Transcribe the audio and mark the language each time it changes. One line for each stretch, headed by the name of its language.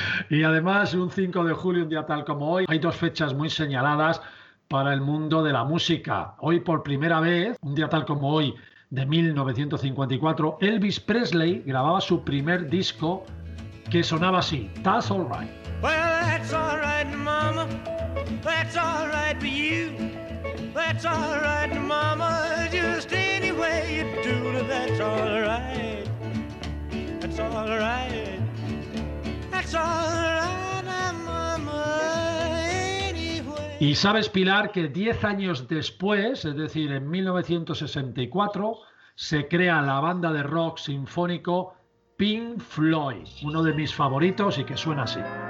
Spanish: Y además, un 5 de julio, un día tal como hoy, hay dos fechas muy señaladas para el mundo de la música. Hoy por primera vez, un día tal como hoy, de 1954, Elvis Presley grababa su primer disco que sonaba así, That's All Right.
English: Well, that's all right, mama, that's all right for you. That's all right, mama, just any way you do, that's all right, that's all right, that's all right, mama, any way.
Spanish: Y sabes, Pilar, que 10 años después, es decir, en 1964, se crea la banda de rock sinfónico Pink Floyd, uno de mis favoritos y que suena así.